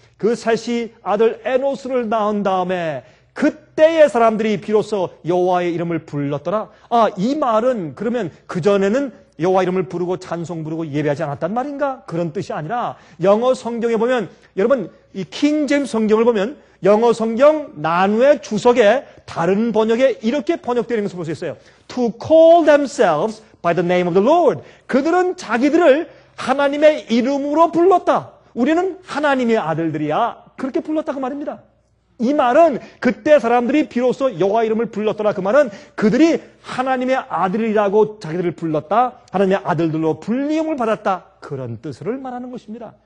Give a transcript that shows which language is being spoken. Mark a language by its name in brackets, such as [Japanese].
[Korean] 그 셋이 아들 에노스를 낳은 다음에 그때의 사람들이 비로소 여호와의 이름을 불렀더라. 아, 이 말은 그러면 그전에는 여호와 이름을 부르고 찬송 부르고 예배하지 않았단 말인가? 그런 뜻이 아니라, 영어 성경에 보면, 여러분 이 킹제임스 성경을 보면 영어 성경 난회 주석에 다른 번역에 이렇게 번역되는 것을 볼 수 있어요. [English] To call themselves by the name of the Lord. [Korean] 그들은 자기들을 하나님의 이름으로 불렀다. 우리는 하나님의 아들들이야. 그렇게 불렀다, 그 말입니다. 이 말은 그때 사람들이 비로소 여호와 이름을 불렀더라, 그 말은 그들이 하나님의 아들이라고 자기들을 불렀다, 하나님의 아들들로 불리움을 받았다, 그런 뜻을 말하는 것입니다.